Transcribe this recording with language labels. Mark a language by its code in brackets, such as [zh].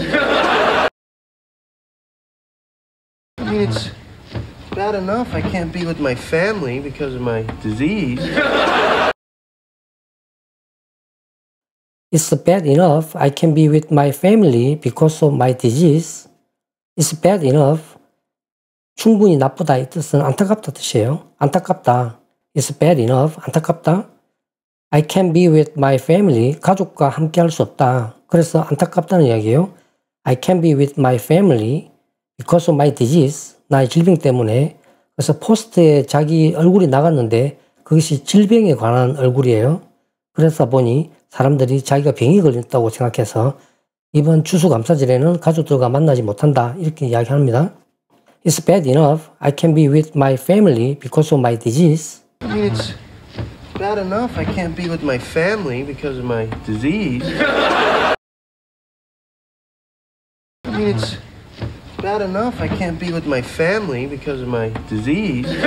[en] I mean, it's bad enough I can't be with my family because of my disease. It's bad enough I can be with my family because of my disease. It's bad enough. [ko] 충분히 나쁘다 이 뜻은 안타깝다 뜻이에요. 안타깝다. [en] It's bad enough. 안타깝다. I can't be with my family. [ko] 가족과 함께 할 수 없다. 그래서 안타깝다는 이야기예요. [en] I can't be with my family because of my disease. [ko] 나의 질병 때문에. 그래서 포스트에 자기 얼굴이 나갔는데 그것이 질병에 관한 얼굴이에요. 그래서 보니 사람들이 자기가 병이 걸렸다고 생각해서 이번 추수감사절에는 가족들과 만나지 못한다 이렇게 이야기합니다. [en] It's bad enough I can't be with my family because of my disease. It's bad enough I can't be with my family because of my disease. It's bad enough I can't be with my family because of my disease.